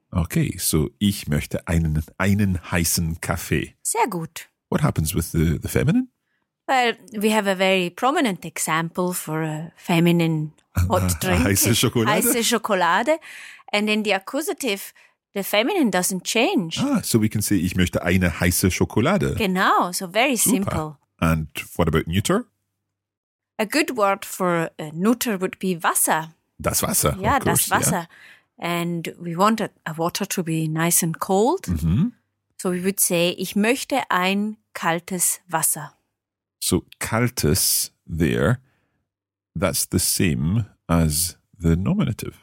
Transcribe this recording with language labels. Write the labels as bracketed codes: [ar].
[de] Okay, so ich möchte einen heißen Kaffee. Sehr gut. [en] What happens with the feminine? Well, we have a very prominent example for a feminine hot drink. [de] Heiße Schokolade. [en] And in the accusative, the feminine doesn't change. Ah, so we can say, [de] ich möchte eine heiße Schokolade. [en] Genau, so very Super. Simple. And what about neuter? A good word for neuter would be Wasser. [de] Das Wasser, [en] yeah, of course, [de] das Wasser. [en] Yeah. And we want a water to be nice and cold. Mm-hmm. So we would say, [de] ich möchte ein kaltes Wasser. [en] So kaltes there, that's the same as the nominative.